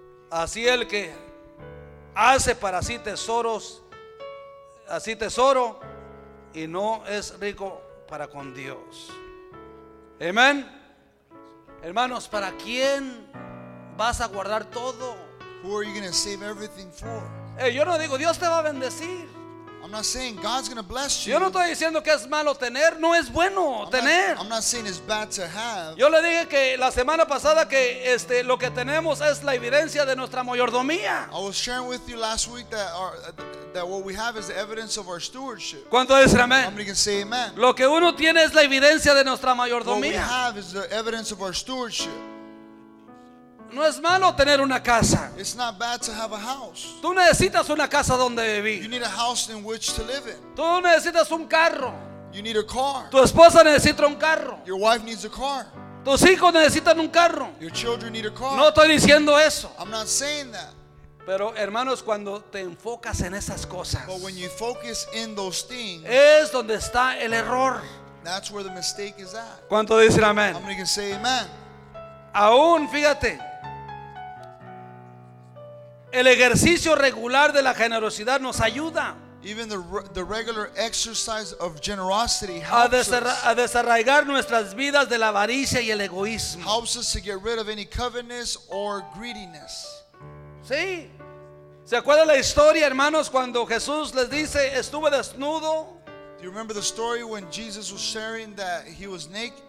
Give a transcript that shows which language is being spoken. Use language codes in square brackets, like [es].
[es] Así el que hace para sí tesoros, así tesoro, y no es rico para con Dios. Amén. Hermanos, ¿para quién vas a guardar todo? [en] Who are you going to save everything for? [es] Hey, yo no digo, Dios te va a bendecir. [en] I'm not saying God's going to bless you. [es] Yo no estoy diciendo que es malo tener, no es bueno tener. [en] I'm not saying it's bad to have. [es] Yo le dije que la semana pasada que lo que tenemos es la evidencia de nuestra mayordomía. [en] I was sharing with you last week that what we have is the evidence of our stewardship. [es] ¿Cuánto dicen amén? [en] Somebody can say amen. [es] Lo que uno tiene es la evidencia de nuestra mayordomía. [en] What we have is the evidence of our stewardship. [es] No es malo tener una casa. [en] It's not bad to have a house. [es] Tú necesitas una casa donde vivir. [en] You need a house in which to live in. [es] Tú necesitas un carro. [en] You need a car. [es] Tu esposa necesita un carro. [en] Your wife needs a car. [es] Tus hijos necesitan un carro. [en] Your children need a car. [es] No estoy diciendo eso. [en] I'm not saying that. [es] Pero hermanos, cuando te enfocas en esas cosas, [en] but when you focus in those things, [es] es donde está el error. [en] That's where the mistake is at. [es] ¿Cuánto dicen amén? [en] How many can say amen? [es] Aún, fíjate, el ejercicio regular de la generosidad nos ayuda. [en] Even the regular exercise of generosity helps [es] a desarraigar nuestras vidas de la avaricia y el egoísmo. [en] Helps us to get rid of any covetousness or greediness. [es] Sí. ¿Se acuerda la historia, hermanos, cuando Jesús les dice: Estuve desnudo [en] Do you remember the story when Jesus was sharing that he was naked?